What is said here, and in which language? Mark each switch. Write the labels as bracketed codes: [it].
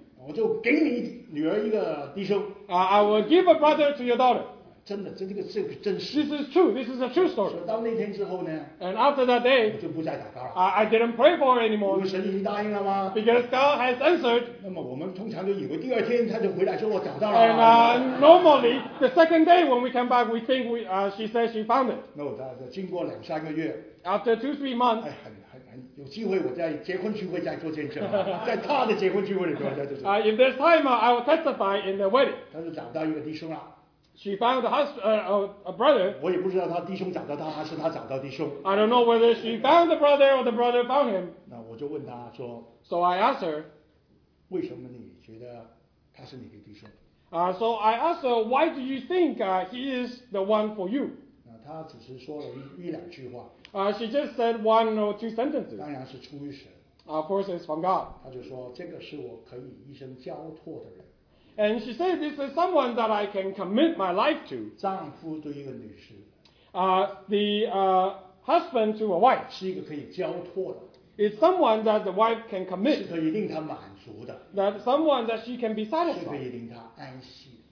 [zh] 我就给你女儿一个弟兄。 [en] I will give a brother to your daughter. [zh] 真的，这个真实。 [en] This is true. This is a true story. [zh] 所以到那天之后呢 [en] ？And after that day, [zh] 我就不再祷告了。 [en] I didn't pray for her anymore. [zh] 因为神已经答应了吗 [en] ？Because God has answered. [zh] 那么我们通常就以为第二天他就回来说我找到了。 [en] And normally, the second day when we come back, we think she said she found it. No, [zh] 他经过两三个月。 [en] After 2-3 months. [zh] 哎，有机会我在结婚聚会再做见证，在他的结婚聚会里头再做。 [en] In this time, I will testify in the wedding. [zh] 他就找到一个弟兄了。 [en] She found a husband, a brother. [zh] 我也不知道他弟兄找到他，还是他找到弟兄。 [en] I don't know whether she found the brother or the brother found him. [zh] 那我就问他说。 [en] So I asked her, [zh] 为什么你觉得他是你的弟兄？ [en] So I asked her, why do you think he is the one for you? [zh] 那他只是说了一两句话。 [en] She just said one or two sentences. [zh] 当然是出于神。 [en] Of course, it's from God. [zh] 他就说这个是我可以一生交托的人。 [en] And she said this is someone that I can commit my life to. [zh] 丈夫对一个女士。 [en] The husband to a wife. [zh] 是一个可以交托的。 [en] It's someone that the wife can commit. [zh] 是可以令她满足的。 [en] That someone that she can be satisfied. [zh] 是可以令她安息。